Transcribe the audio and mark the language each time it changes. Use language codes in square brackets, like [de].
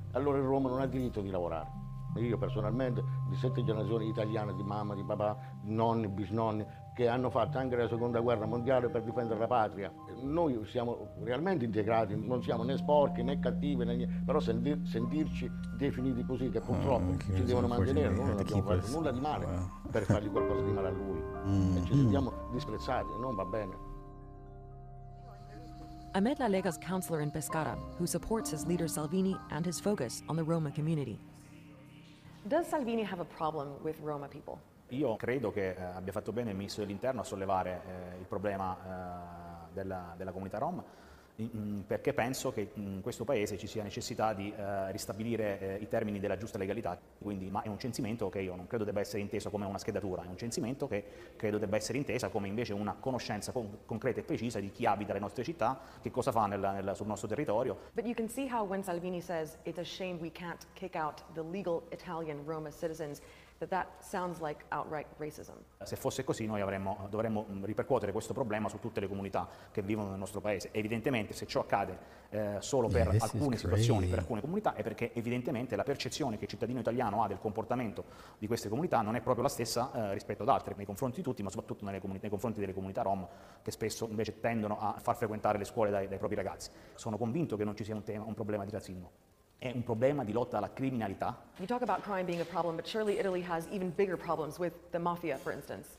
[it] Allora il rom non ha diritto di lavorare. Io personalmente, di 7 generazioni italiane, di mamma, di papà, nonni, bisnonni, che hanno fatto anche la seconda guerra mondiale per difendere la patria, noi siamo realmente integrati, non siamo né sporchi né cattivi, né niente, però sentirci definiti così, che purtroppo ci devono mantenere, noi non abbiamo fatto nulla di male per fargli qualcosa di male a lui, e ci sentiamo disprezzati, non va bene. [en] Ahmed La Lega's counselor in Pescara, who supports his leader Salvini and his focus on the Roma community. Does Salvini have a problem with Roma people? [it] Io credo che abbia fatto bene il ministro dell'Interno a sollevare il problema della comunità Rom, perché penso che in questo paese ci sia necessità di ristabilire i termini della giusta legalità. Quindi, ma è un censimento che io non credo debba essere inteso come una schedatura, è un censimento che credo debba essere intesa come invece una conoscenza concreta e precisa di chi abita le nostre città, che cosa fa sul nostro territorio. [en] But you can see how when Salvini says it's a shame we can't kick out the legal Italian Roma citizens, that sounds like outright racism. [it] Se fosse così, noi dovremmo ripercuotere questo problema su tutte le comunità che vivono nel nostro paese. Evidentemente, se ciò accade solo per alcune situazioni, per alcune comunità, è perché evidentemente la percezione che il cittadino italiano ha del comportamento di queste comunità non è proprio la stessa rispetto ad altre, nei confronti di tutti, ma soprattutto nei confronti delle comunità Rom, che spesso invece tendono a far frequentare le scuole dai propri ragazzi. Sono convinto che non ci sia un problema di razzismo. È un problema di lotta alla criminalità. [en] You talk about crime being a problem, but surely Italy has even bigger problems with the mafia, for instance.